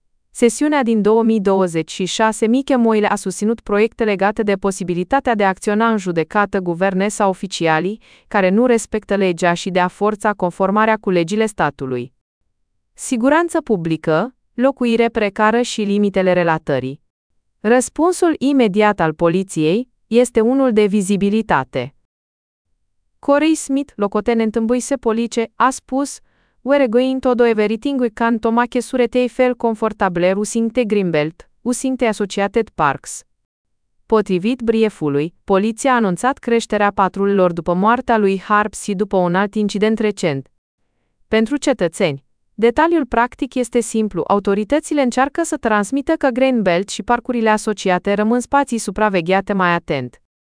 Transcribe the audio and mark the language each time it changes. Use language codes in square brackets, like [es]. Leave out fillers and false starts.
[ro] Sesiunea din 2026, Mike Moile a susținut proiecte legate de posibilitatea de a acționa în judecată guverne sau oficialii care nu respectă legea și de a forța conformarea cu legile statului. Siguranță publică, locuire precară și limitele relatării. Răspunsul imediat al poliției este unul de vizibilitate. Corey Smith, locotenent în Boise Police, a spus [en] "We're going to do everything we can to make sure they feel comfortable using the Greenbelt, using the Associated Parks." [ro] Potrivit briefului, poliția a anunțat creșterea patrulilor după moartea lui Harbst și după un alt incident recent. Pentru cetățeni, detaliul practic este simplu, autoritățile încearcă să transmită că Greenbelt și parcurile asociate rămân spații supravegheate mai atent.